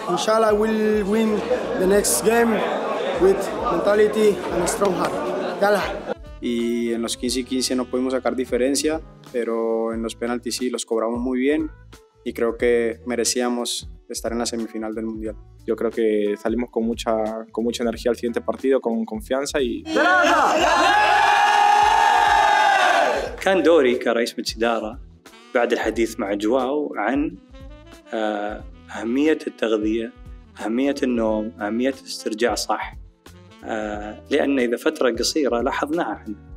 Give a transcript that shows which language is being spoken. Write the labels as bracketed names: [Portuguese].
[English] Inshallah we'll win the next game with mentality and a strong heart. [Arabic] Yala. [Spanish] Y en los 15-15 no pudimos sacar diferencia, pero en los penaltis sí los cobramos muy bien y creo que merecíamos estar en la semifinal del mundial. Yo creo que salimos con mucha energía al siguiente partido, con confianza y. [Arabic] كان دوري كرئيس مجلس إدارة بعد الحديث مع جواو عن أهمية التغذية، أهمية النوم، أهمية الاسترجاع صح، لأن إذا فترة قصيرة لاحظناها إحنا.